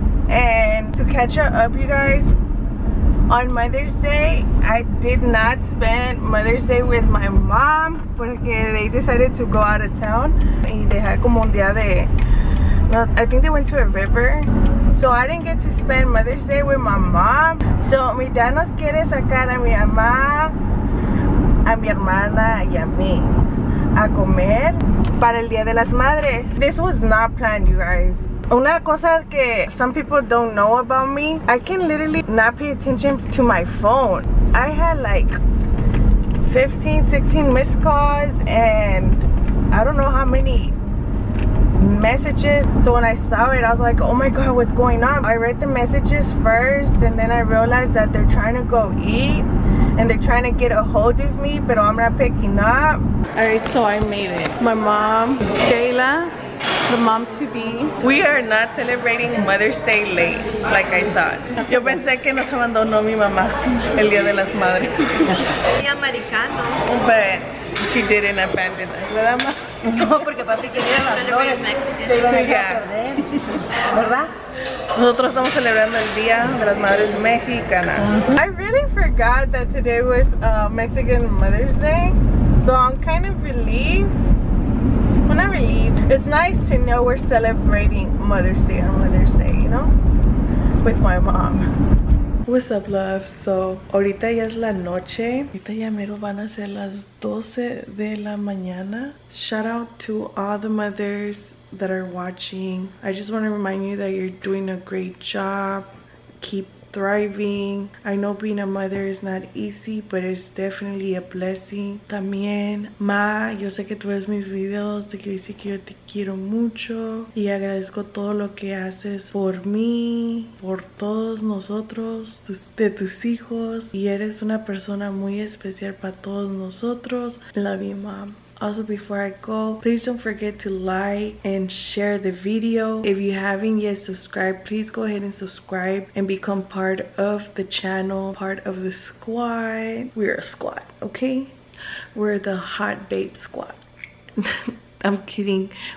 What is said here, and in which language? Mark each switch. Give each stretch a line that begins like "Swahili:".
English: And to catch up, you guys, on Mother's Day, I did not spend Mother's Day with my mom porque they decided to go out of town. Y they had
Spanish: como un día de,
English: I think they went to a river. So I didn't get to spend Mother's Day with my mom.
Spanish: So mi dad nos quiere sacar a mi mamá, a mi hermana y a mí a comer para el día de las madres.
English: This was not planned, you guys.
Spanish: Una cosa que
English: some people don't know about me, I can literally not pay attention to my phone. I had like 15, 16 missed calls and I don't know how many messages. So when I saw it, I was like, oh my God, what's going on? I read the messages first and then I realized that they're trying to go eat and they're trying to get a hold of me, but I'm not picking up. All right, so I made it. My mom, Kayla. The mom to be. We are not celebrating Mother's Day late, like I thought.
Spanish: Yo pensé que nos abandonó mi mamá el día de las madres.
English: Americano. But she didn't abandon us,
Spanish: ¿verdad, ma? No, porque papi quería celebrar el Mexican. ¿Verdad? Nosotros estamos celebrando el día de las madres mexicanas.
English: I really forgot that today was Mexican Mother's Day, so I'm kind of relieved. When I leave, it's nice to know we're celebrating Mother's Day on Mother's Day, you know, with my mom. What's up, love?
Spanish: So, ahorita ya es la noche. Ahorita ya mero van a ser las 12 de la mañana.
English: Shout out to all the mothers that are watching. I just want to remind you that you're doing a great job. Keep thriving. I know being a mother is not easy, but it's definitely a blessing.
Spanish: También, ma, yo sé que tú ves mis videos, te quiero decir que yo te quiero mucho y agradezco todo lo que haces por mí, por todos nosotros, de tus hijos, y eres una persona muy especial para todos nosotros.
English: Love you, mom. Also, before I go, please don't forget to like and share the video. If you haven't yet subscribed, please go ahead and subscribe and become part of the channel, part of the squad. We're a squad, okay? We're the hot babe squad. I'm kidding.